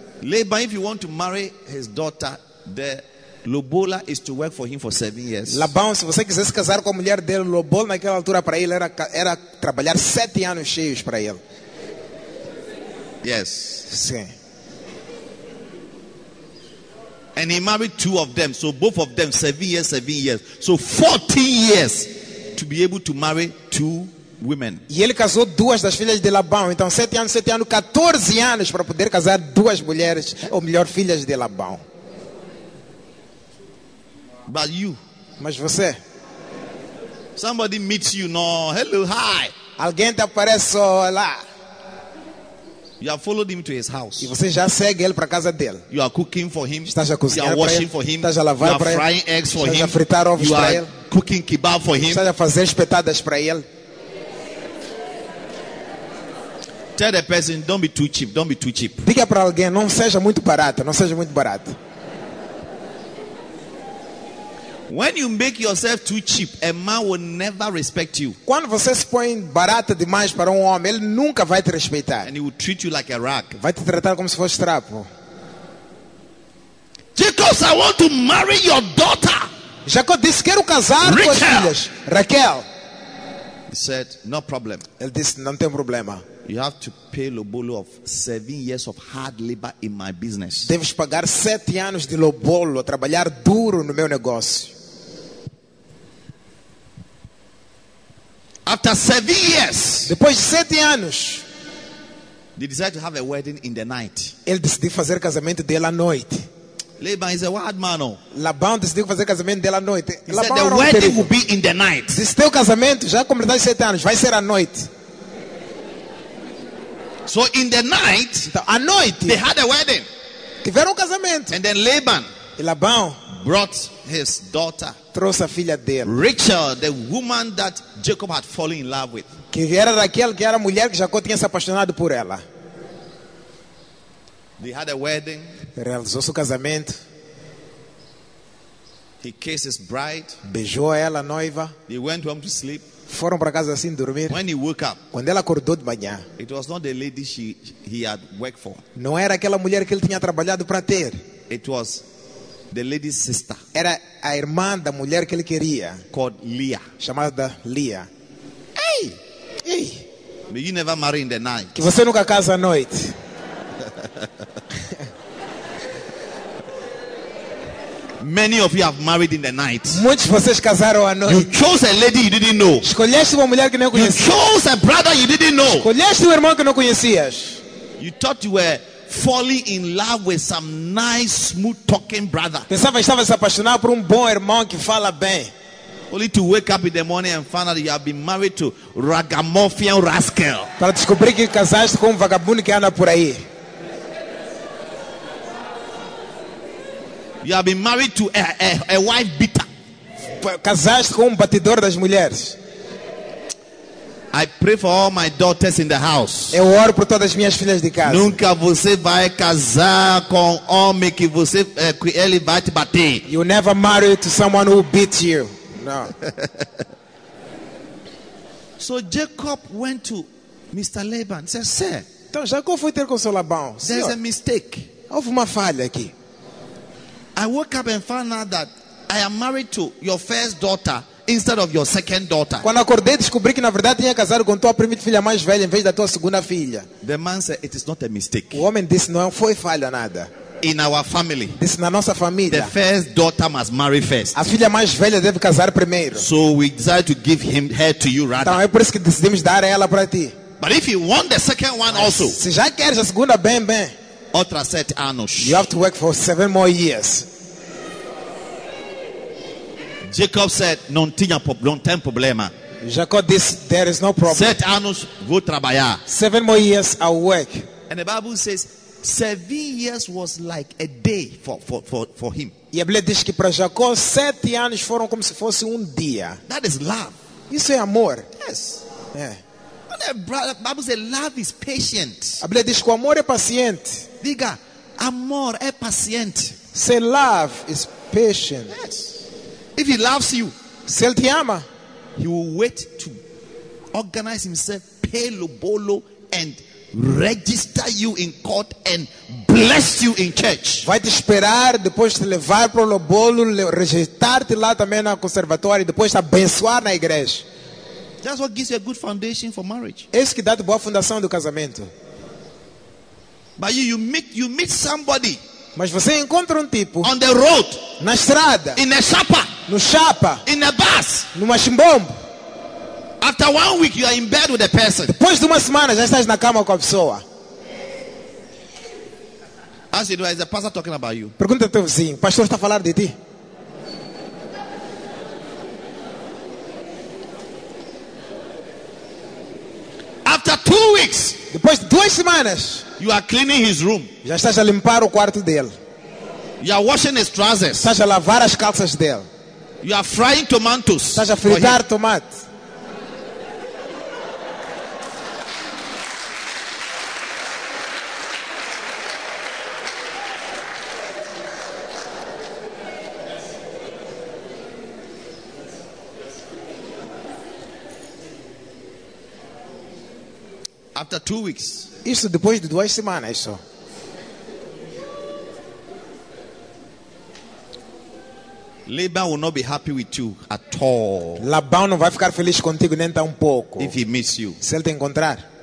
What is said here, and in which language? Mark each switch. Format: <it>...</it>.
<en>Laban, if you want to marry his daughter, the Lobola is to work for him for 7 years.</en> <pt>Labão, se você quisesse casar com a mulher dele, Lobola naquela altura para ele era trabalhar 7 anos cheios para ele.</pt> <en>Yes.</en> <pt>Sim.</pt> <en>And he married two of them, so both of them 7 years, 7 years, so 40 years. To be able to marry two women.</en> <pt>E ele casou duas das filhas de Labão. Então 7 anos, 7 anos, 14 anos para poder casar duas mulheres, ou melhor, filhas de Labão.</pt> <en>But you,</en> <pt>mas você.</pt> <en>Somebody meets you, no, hello, hi.</en> <pt>Alguém te aparece, olá.</pt> <en>You have followed him to his house.</en> <pt>E você já segue ele para casa dele.</pt> <en>You are cooking for him.</en> <pt>Estás a cozinhar para ele.</pt> <en>You are washing for him.</en> <pt>Estás a lavar para ele.</pt> <en>You are frying eggs for him.</en> <pt>Estás a fritar ovos para ele.</pt> <en>Cooking kebab for him.</en> <pt>Estás a fazer espetadas para ele.</pt> <en>Tell the person, don't be too cheap, don't be too cheap.</en> <pt>Diga para alguém, não seja muito barato, não seja muito barato.</pt> <en>When you make yourself too cheap, a man will never respect you.</en> <pt>Quando você se põe barato demais para homem, ele nunca vai te respeitar.</pt> <en>And he will treat you like a rag.</en> <pt>Vai te tratar como se fosse trapo.</pt> <en>Jacob, I want to marry your daughter.</en> <pt>Jacob disse, quero casar com as filhas. Raquel.</pt> <en>He said, no problem.</en> <pt>Ele disse, não tem problema.</pt> <en>You have to pay Lobolo of 7 years of hard labor in my business.</en> <pt>Deves pagar 7 anos de Lobolo, trabalhar duro no meu negócio.</pt> <en>After 7 years.</en> <pt>Depois de 7 anos.</pt> <en>They decided to have a wedding in the night.</en> <pt>Ele decidiu fazer casamento dele à noite.</pt> <en>Laban is a wild man.</en> <pt>Labão decidiu fazer casamento dela à noite.</pt> <en>He said the wedding will be in the night.</en> <pt>Diz, teu casamento já completou 7 anos, vai ser à noite.</pt> <en>So in the night,</en> <pt>então, à noite,</pt> <en>they had a wedding.</en> <pt>Tiveram casamento.</pt> <en>And then Laban,</en> <pt>e Labão,</pt> <en>brought his daughter.</en> <pt>Trouxe a filha dele.</pt> <en>Rachel, the woman that Jacob had fallen in love with.</en> <pt>Que era Raquel, que era a mulher que Jacob tinha se apaixonado por ela.</pt> <en>They had a wedding.</en> <pt>Realizou seu casamento.</pt> <en>He kissed his bride.</en> <pt>Beijou ela, a noiva.</pt> <en>They went home to sleep.</en> <pt>Foram para casa assim dormir.</pt> <en>When he woke up,</en> <pt>quando ela acordou de manhã,</pt> <en>it was not the lady he had worked for.</en> <pt>Não era aquela mulher que ele tinha trabalhado para ter.</pt> <en>It was the lady's sister.</en> <pt>Era a irmã da mulher que ele queria.</pt> <en>Called Leah.</en> <pt>Chamada Leah. Hey, hey.</pt> <en>May you never marry in the night.</en> <pt>Que você nunca casa à noite.</pt> <en>Many of you have married in the night.</en> <pt>Muitos de vocês casaram à noite.</pt> <en>You chose a lady you didn't know.</en> <pt>Escolheste uma mulher que não conhecias.</pt> <en>You chose a brother you didn't know.</en> <pt>Escolheste um irmão que não conhecias.</pt> <en>You thought you were falling in love with some nice, smooth-talking brother.</en> <pt>Pensava que estava se apaixonado por bom irmão que fala bem.</pt> <en>Only to wake up in the morning and find out you have been married to ragamuffin rascal.</en> <pt>Para descobrir que casaste com vagabundo que anda por aí.</pt> <en>You have been married to a wife beater.</en> <pt>Casaste com batedor das mulheres.</pt> <en>I pray for all my daughters in the house.</en> <pt>Eu oro por todas as minhas filhas de casa. Nunca você vai casar com homem que você que ele vai te bater.</pt> <en>You never marry to someone who beats you. No. So Jacob went to Mr. Laban. He said, "Sir,</en> <pt>então Jacob foi ter com seu Labão.</pt> <en>There's a mistake.</en> <pt>Houve uma falha aqui.</pt> <en>I woke up and found out that I am married to your first daughter instead of your second daughter."</en> <pt>Quando acordei, descobri que na verdade tinha casado com tua primeira filha mais velha em vez da tua segunda filha.</pt> <en>The man said, "It is not a mistake."</en> <pt>O homem disse, não foi falha nada.</pt> <en>In our family, this is</en> <pt>na nossa família.</pt> <en>The first daughter must marry first.</en> <pt>A filha mais velha deve casar primeiro.</pt> <en>So we decided to give him her to you, rather.</en> <pt>Então é por isso que decidimos dar ela para ti.</pt> <en>But if you want the second one also,</en> <pt>se já queres a segunda bem, outra sete anos,</pt> <en>you have to work for 7 more years. Jacob said,</en> <pt>"Não tem problema."</pt> <en>Jacob disse, "There is no problem."</en> <pt>7 anos vou trabalhar.</pt> <en>7 more years I will work. And the Bible says, 7 years was like a day for him.</en> <pt>E a Bíblia diz que para Jacó 7 anos foram como se fosse dia.</pt> <en>That is love.</en> <pt>Isso é amor.</pt> <en>Yes. Yeah. The Bible says love is patient.</en> <pt>A Bíblia diz que o amor é paciente. Diga, amor é paciente.</pt> <en>Say love is patient. Yes. If he loves you,</en> <pt>se ele te ama,</pt> <en>he will wait to organize himself, pay lo bolo, and register you in court and bless you in church.</en> <pt>Vai te esperar, depois te levar para o lobolo, registrar-te lá também na conservatória e depois te abençoar na igreja.</pt> <en>That's what gives you a good foundation for marriage.</en> <pt>Isso que dá-te boa fundação do casamento.</pt> <en>But you meet somebody.</en> <pt>Mas você encontra tipo</pt> <en>on the road,</en> <pt>na estrada,</pt> <en>in a chapa,</en> <pt>no chapa,</pt> <en>in a bus,</en> <pt>numa chimbombo.</pt> <en>After 1 week, you are in bed with a person.</en> <pt>Depois de uma semana, já estás na cama com a pessoa.</pt> <en>Ask you, is the pastor talking about you?</en> <pt>Pergunta ao teu vizinho, o pastor está a falar de ti?</pt> <en>After 2 weeks,</en> <pt>depois de 2 semanas,</pt> <en>you are cleaning his room.</en> <pt>Já estás a limpar o quarto dele.</pt> <en>You are washing his trousers.</en> <pt>Estás a lavar as calças dele.</pt> <en>You are frying tomatoes.</en> <pt>Estás a fritar tomate.</pt> <en>After 2 weeks.</en> <pt>Isso depois de 2 semanas só.</pt> <en>Laban will not be happy with you at all.</en> <pt>Labão não vai ficar feliz contigo nem tão pouco.</pt> <en>If he miss you.</en> <pt>Se ele te encontrar.</pt>